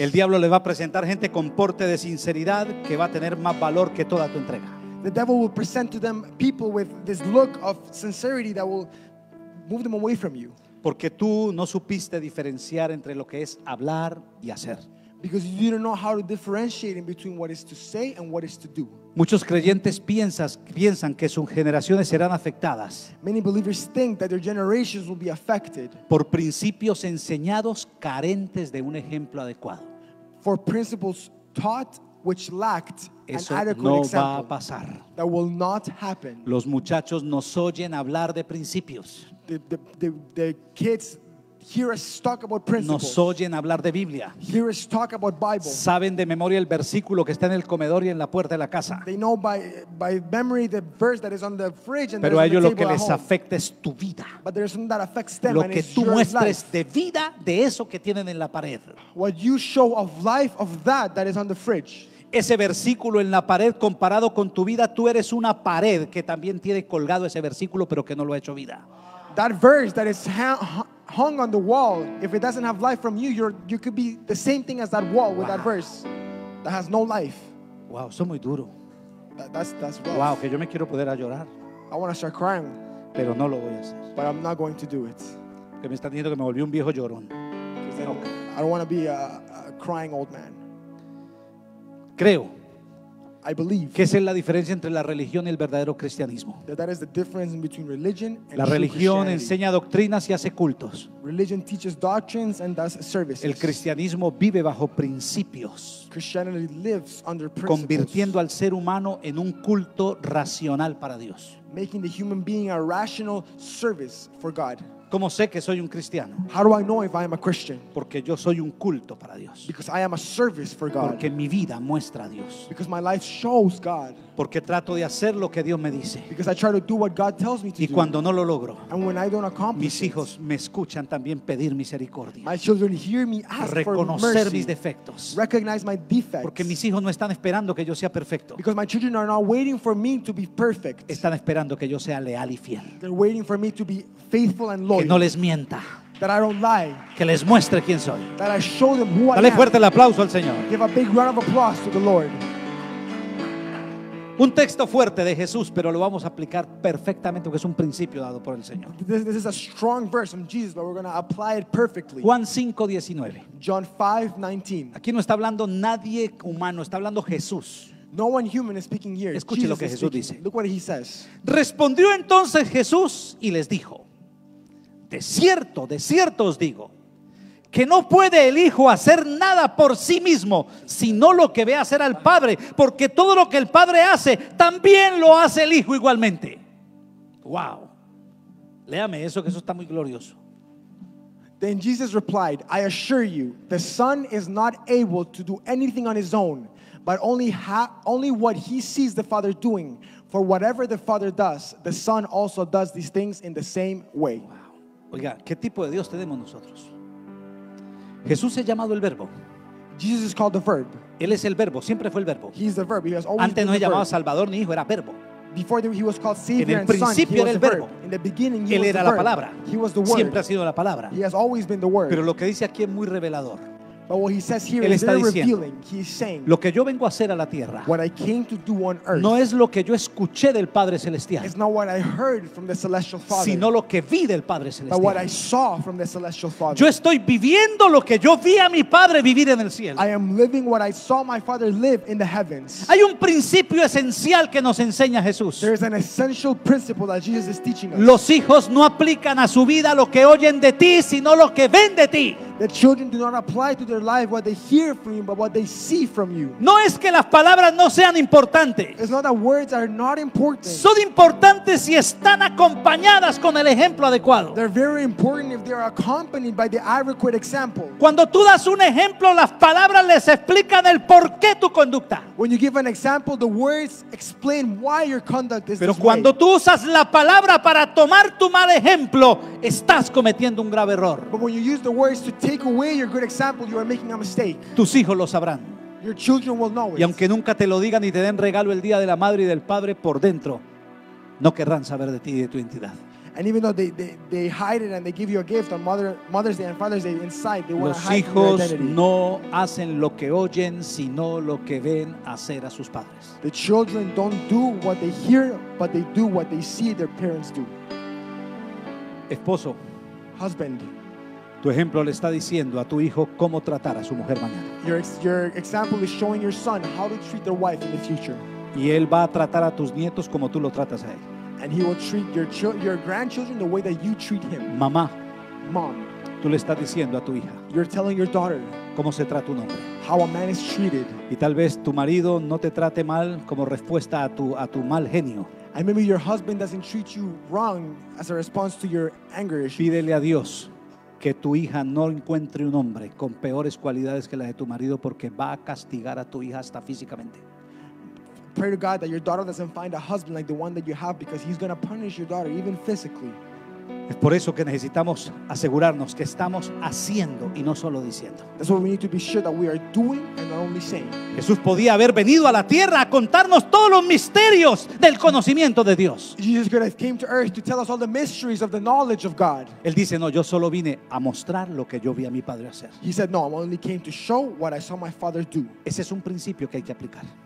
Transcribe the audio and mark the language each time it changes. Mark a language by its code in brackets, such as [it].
[es] El diablo les va a presentar gente con porte de sinceridad que va a tener más valor que toda tu entrega. [en] The devil will present to them people with this look of sincerity that will move them away from you. [es] Porque tú no supiste diferenciar entre lo que es hablar y hacer. [en] Because you don't know how to differentiate in between what is to say and what is to do. [es] Muchos creyentes piensan que sus generaciones serán afectadas. [en] Many believers think that their generations will be affected. [es] Por principios enseñados carentes de un ejemplo adecuado. [en] For principles taught which lacked [es] eso [en] an adequate [es] no [en] example. [es] Va a pasar. [en] That will not happen. [es] Los muchachos nos oyen hablar de principios. [en] The kids Hear us talk about principles. [es] Nos oyen hablar de Biblia. [en] Hear us talk about Bible. [es] Saben de memoria el versículo que está en el comedor y en la puerta de la casa. [en] They know by memory the verse that is on the fridge and. [es] Pero a ellos [en] the [es] lo que les afecta es tu vida. [en] But there's something that affects them. [es] Lo que tú muestres de vida de eso que tienen en la pared. [en] What you show of life of that is on the fridge. [es] Ese versículo en la pared comparado con tu vida, tú eres una pared que también tiene colgado ese versículo, pero que no lo ha hecho vida. [en] That verse that is hung on the wall, if it doesn't have life from you, you could be the same thing as that wall with that verse that has no life. [es] Wow, eso es muy duro. [en] That's rough. [es] Wow, que yo me quiero poder a llorar. [en] I want to start crying. [es] Pero no lo voy a hacer. [en] But I'm not going to do it. [es] Que me están diciendo que me volví un viejo llorón. [en] Okay. I don't want to be a crying old man. [es] Creo. [en] I believe. [es] ¿Qué es la diferencia entre la religión y el verdadero cristianismo? [en] That is the difference between religion and [es] la religión enseña doctrinas y hace cultos. [en] Religion teaches doctrines and does services. [es] El cristianismo vive bajo principios. [en] Christianity lives under principles. [es] Convirtiendo al ser humano en un culto racional para Dios. [en] Making the human being a rational service for God. [es] ¿Cómo sé que soy un cristiano? [en] How do I know if I am a Christian? [es] Porque yo soy un culto para Dios. [en] Because I am a service for God. [es] Porque mi vida muestra a Dios. [en] Because my life shows God. [es] Porque trato de hacer lo que Dios me dice. [en] Because I try to do what God tells me to do. [es] Y cuando no lo logro, [en] and when I don't accomplish [es] mis hijos me escuchan también pedir misericordia. [en] My children hear me ask [es] reconocer [en] for mercy, [es] mis defectos. [en] Recognize my defects. [es] Porque mis hijos no están esperando que yo sea perfecto. [en] Because my children are not waiting for me to be perfect. [es] Están esperando que yo sea leal y fiel. [en] They're waiting for me to be faithful and loyal. [es] Que no les mienta. [en] That I don't lie. [es] Que les muestre quién soy. [en] That I show them who [es] Dale [en] I am. [es] Fuerte el aplauso al Señor. [en] Give a big round of applause to the Lord. [es] Un texto fuerte de Jesús, pero lo vamos a aplicar perfectamente porque es un principio dado por el Señor. [en] This is a strong verse from Jesus, but we're going to apply it perfectly. [es] Juan 5:19. [en] John 5:19. [es] Aquí no está hablando nadie humano, está hablando Jesús. [en] No one human is speaking here. [es] Escuche [en] Jesus [es] lo que Jesús dice. [en] Look what he says. [es] Respondió entonces Jesús y les dijo: de cierto os digo, que no puede el Hijo hacer nada por sí mismo, sino lo que ve hacer al Padre, porque todo lo que el Padre hace, también lo hace el Hijo igualmente. Wow. Léame eso, que eso está muy glorioso. [en] Then Jesus replied, I assure you, the Son is not able to do anything on his own, but only what he sees the Father doing. For whatever the Father does, the Son also does these things in the same way. [es] Wow. Oiga, ¿qué tipo de Dios tenemos nosotros? Jesús es llamado el verbo. [en] Jesus is called the verb. [es] Él es el verbo, siempre fue el verbo. [en] He's the verb. He has always [es] Antes no se llamaba Salvador ni hijo, era verbo. [en] Before he was called Savior [es] en el principio [en] and son, [es] era el verbo. [en] In the beginning he [es] Él [en] was [es] era [en] the [es] la [en] verb. [es] Palabra. [en] He was the word. [es] Siempre ha sido la palabra. [en] He has always been the word. [es] Pero lo que dice aquí es muy revelador. [en] But what he says here [es] Él [en] is very [es] diciendo, [en] revealing. He is saying, [es] lo que yo vengo a hacer a la tierra [en] what I came to do on earth, [es] no es lo que yo escuché del Padre Celestial, [en] it's not what I heard from the Celestial Father, [es] sino lo que vi del Padre Celestial. [en] But what I saw from the Celestial Father. [es] Yo estoy viviendo lo que yo vi a mi Padre vivir en el cielo. [en] I am living what I saw my Father live in the heavens. [es] Hay un principio esencial que nos enseña Jesús. [en] There is an essential principle that Jesus is teaching us. [es] Los hijos no aplican a su vida lo que oyen de ti, sino lo que ven de ti. [en] The children do not apply to their life what they hear from you, but what they see from you. [es] No es que las palabras no sean importantes. [en] It's not that words are not important. [es] Son importantes si están acompañadas con el ejemplo adecuado. [en] They're very important if they are accompanied by the adequate example. [es] Cuando tú das un ejemplo, las palabras les explican el porqué tu conducta. [en] When you give an example, the words explain why your conduct is [es] Pero cuando [en] way. [es] Tú usas la palabra para tomar tu mal ejemplo, estás cometiendo un grave error. [en] But when you use the words to take away your good example, you are making a mistake. [es] Tus hijos lo sabrán. [en] Your children will know it. [es] Y aunque nunca te lo digan y te den regalo el día de la madre y del padre, por dentro no querrán saber de ti y de tu identidad. [en] And even though they hide it and they give you a gift on Mother's Day and Father's Day, inside they want to hide [es] Los hijos no hacen lo que oyen, sino lo que ven hacer a sus padres. [en] The children don't do what they hear, but they do what they see their parents do. [es] Esposo, [en] husband, [es] tu ejemplo le está diciendo a tu hijo cómo tratar a su mujer mañana. [en] Your example is showing your son how to treat their wife in the future. [es] Y él va a tratar a tus nietos como tú lo tratas a él. [en] And he will treat your grandchildren the way that you treat him. [es] Mamá, [en] mom, [es] tú le estás diciendo a tu hija. [en] You're telling your daughter [es] cómo se trata un hombre. [en] How a man is treated. [es] Y tal vez tu marido no te trate mal como respuesta a tu mal genio. [en] And maybe your husband doesn't treat you wrong as a response to your anger issue. [es] Pídele a Dios que tu hija no encuentre un hombre con peores cualidades que las de tu marido, porque va a castigar a tu hija hasta físicamente. [en] Pray to God that your daughter doesn't find a husband like the one that you have, because he's going to punish your daughter even physically. [es] Es por eso que necesitamos asegurarnos que estamos haciendo y no solo diciendo. [en] That's what we need to be sure that we are doing and not only saying. [es] Jesús podía haber venido a la tierra a contarnos todos los misterios del conocimiento de Dios. [en] Jesus could have came to earth to tell us all the mysteries of the knowledge of God. [es] Él dice, no, yo solo vine a mostrar lo que yo vi a mi padre hacer. [en] He said, no, I only came to show what I saw my father do. [es] Ese es un principio que hay que aplicar.